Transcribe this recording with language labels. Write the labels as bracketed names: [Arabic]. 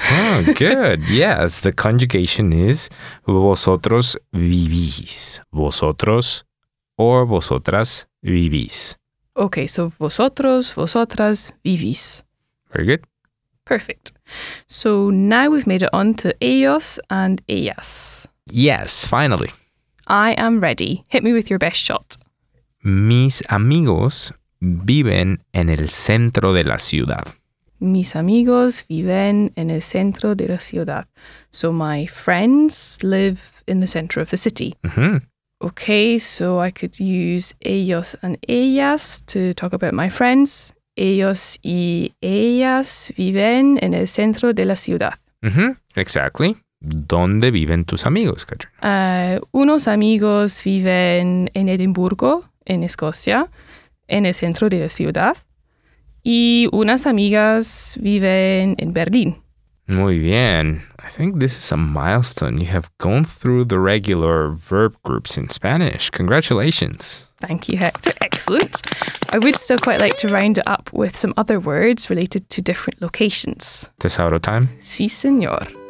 [English] Oh, good. Yes, the conjugation is vosotros vivís. [Spanish] Vosotros or vosotras vivís. [English] Okay, so [Spanish] vosotros, vosotras, vivís. [English] Very good. Perfect. So now we've made it on to ellos and ellas. Yes, finally. I am ready. Hit me with your best shot. [Spanish] Mis amigos viven en el centro de la ciudad. Mis amigos viven en el centro de la ciudad. [English] So my friends live in the center of the city. Mm-hmm. Okay, so I could use ellos and ellas to talk about my friends. [Spanish] Ellos y ellas viven en el centro de la ciudad. Mm-hmm, [English] exactly. [Spanish] ¿Dónde viven tus amigos, Catherine? Unos amigos viven en Edimburgo, en Escocia, en el centro de la ciudad. Y unas amigas viven en Berlín. Muy bien. [English] I think this is a milestone. You have gone through the regular verb groups in Spanish. Congratulations. Thank you, Hector. Excellent. I would still quite like to round it up with some other words related to different locations. Tesoro time? [Spanish] Sí, señor.